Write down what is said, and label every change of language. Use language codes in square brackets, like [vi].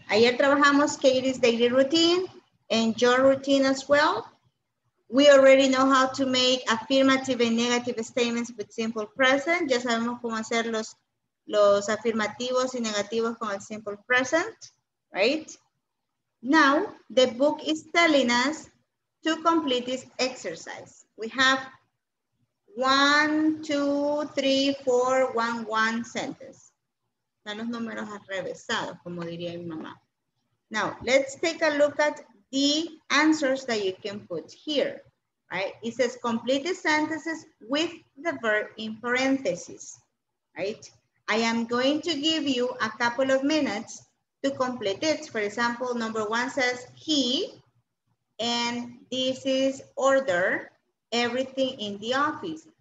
[es] Ayer trabajamos [en] Katie's daily routine and your routine as well. We already know how to make affirmative and negative statements with simple present. [es] Ya sabemos cómo hacer los afirmativos y negativos con el simple present, right? [en] Now, the book is telling us to complete this exercise. We have 1, 2, 3, 4, 1 sentence. [es] Están los números arrevesados, como diría mi mamá. [en] Now, let's take a look at the answers that you can put here. Right? It says complete the sentences with the verb in parentheses, right? I am going to give you a couple of minutes to complete it. For example, number one says he, and this is order everything in the office.